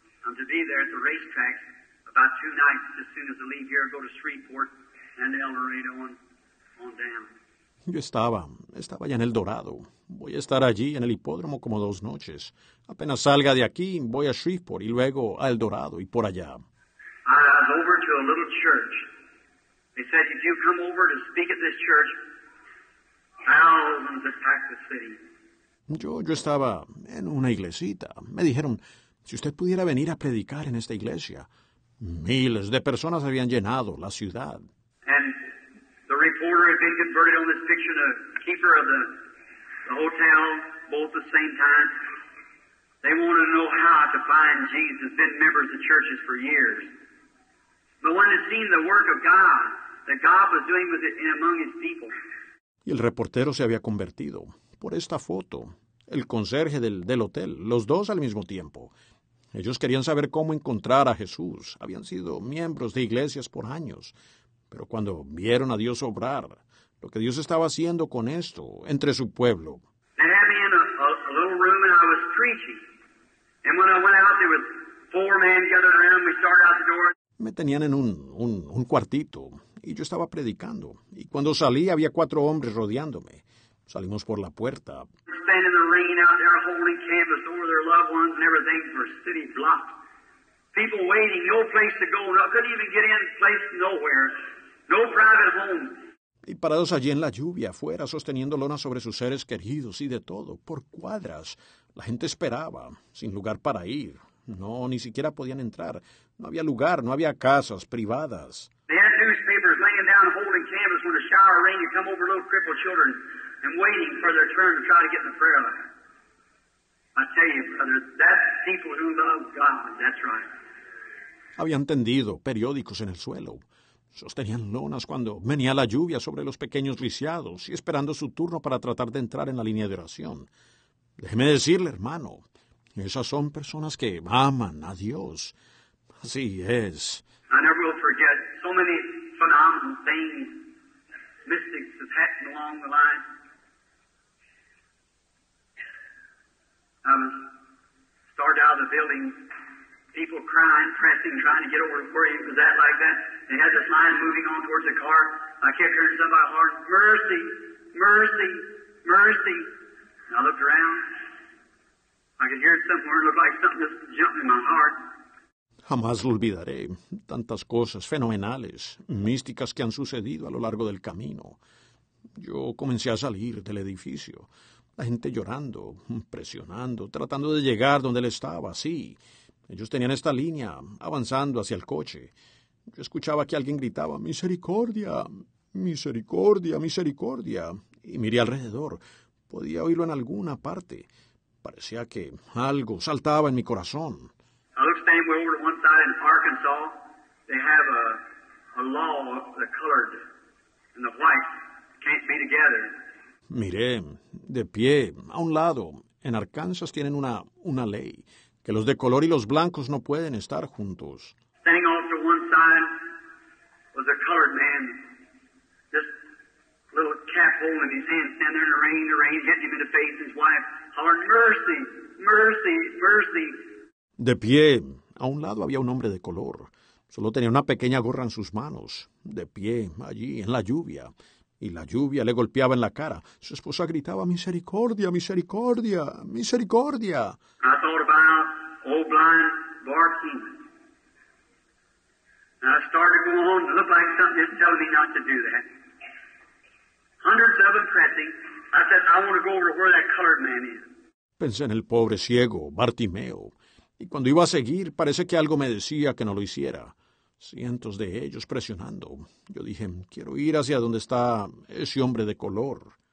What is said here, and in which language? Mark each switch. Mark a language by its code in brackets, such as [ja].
[en] To be there at the racetrack about two nights as soon as I leave here, go to Shreveport and El Dorado on down. [es] Yo estaba ya en El Dorado. Voy a estar allí en el hipódromo como dos noches. Apenas salga de aquí, voy a Shreveport y luego a El Dorado y por allá. [en] I was over to a little church. They said, if you come over to speak at this church, thousands attack the city. [es] Yo estaba en una iglesita. Me dijeron, si usted pudiera venir a predicar en esta iglesia, miles de personas habían llenado la ciudad. [en] And the reporter had been converted on this picture, the keeper of the hotel, both at the same time. They wanted to know how to find Jesus, been members of churches for years. But when they seen the work of God, that God was doing with it in among his people. [es] Y el reportero se había convertido por esta foto. El conserje del hotel, los dos al mismo tiempo. Ellos querían saber cómo encontrar a Jesús. Habían sido miembros de iglesias por años. Pero cuando vieron a Dios obrar, lo que Dios estaba haciendo con esto, entre su pueblo. [en] They had me in a little room and I was preaching. And when I went out, there was four men gathered around. We started out the door. [es] Me tenían en un cuartito y yo estaba predicando. Y cuando salí, había cuatro hombres rodeándome. Salimos por la puerta. [en] Standing in the rain out there holding canvas over their loved ones and everything for city block. People waiting, no place to go. No, couldn't even get in place nowhere. No private home. [es] Y parados allí en la lluvia, afuera, sosteniendo lona sobre sus seres queridos y de todo, por cuadras. La gente esperaba, sin lugar para ir. No, ni siquiera podían entrar. No había lugar, no había casas privadas. [en] They had newspapers laying down holding canvas when a shower of rain would come over little crippled children. And waiting for their turn to try to get in the prayer line. I tell you, brother, that's people who love God, that's right. [es] Habían tendido periódicos en el suelo. Sostenían lonas cuando venía la lluvia sobre los pequeños lisiados y esperando su turno para tratar de entrar en la línea de oración. Déjeme decirle, hermano, esas son personas que aman a Dios. Así es. [en] I never will forget so many phenomenal things, mystics have happened along the line. Started out of the building, people crying, pressing, trying to get over to where he was at like that. They had this line moving on towards the car. I kept hearing somebody hollering, mercy, mercy, mercy. And I looked around. I could hear it somewhere. It looked like something just jumped in my heart. [es] Jamás lo olvidaré. Tantas cosas fenomenales, místicas que han sucedido a lo largo del camino. Yo comencé a salir del edificio. La gente llorando, presionando, tratando de llegar donde él estaba, sí. Ellos tenían esta línea, avanzando hacia el coche. Yo escuchaba que alguien gritaba, ¡misericordia! ¡Misericordia! ¡Misericordia! Y miré alrededor. Podía oírlo en alguna parte. Parecía que algo saltaba en mi corazón. [en] I looked standing way over to one side in Arkansas. They have a law, the colored and the white. can't be together. [es] Miré, de pie, a un lado, en Arkansas tienen una ley, que los de color y los blancos no pueden estar juntos. [en] Standing off to one side was a colored man, just little cap holding his hand, standing there in the rain hitting him in the face, his wife hollering, mercy, mercy, mercy. [es] De pie, a un lado había un hombre de color. Solo tenía una pequeña gorra en sus manos, de pie, allí, en la lluvia. Y la lluvia le golpeaba en la cara. Su esposa gritaba, ¡misericordia, misericordia, misericordia! [en] I thought about old blind barking. And I started going on, it looked like something just telling me not to do that. Hundreds of them pressing. I said, I want to go over to where that colored man is. [es] Pensé en el pobre ciego, Bartimeo. Y cuando iba a seguir, parece que algo me decía que no lo hiciera. Cientos de ellos presionando. Yo dije, quiero ir hacia donde está ese hombre de color.